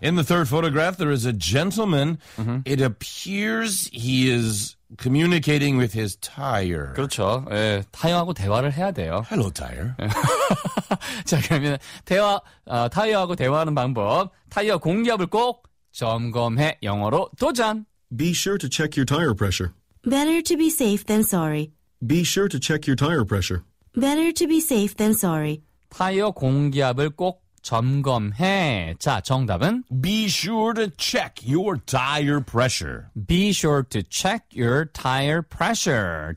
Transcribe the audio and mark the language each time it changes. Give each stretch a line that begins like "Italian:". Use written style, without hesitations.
English: In the third photograph, there is a gentleman. Mm-hmm. It appears he is communicating with his tire.
Korean: 그렇죠. 예, 타이어하고 대화를 해야 돼요.
English: Hello, tire.
Korean: 자, 그러면 대화, 타이어하고 대화하는 방법. 타이어 공기압을 꼭 점검해. 영어로 도전.
English: Be sure to check your tire pressure. Better to be safe than sorry. Be sure to check your tire pressure. Better to be safe than sorry.
Korean: 타이어 공기압을 꼭 점검해. 자, 정답은?
English: Be sure to check your tire pressure. Be sure to check your tire pressure.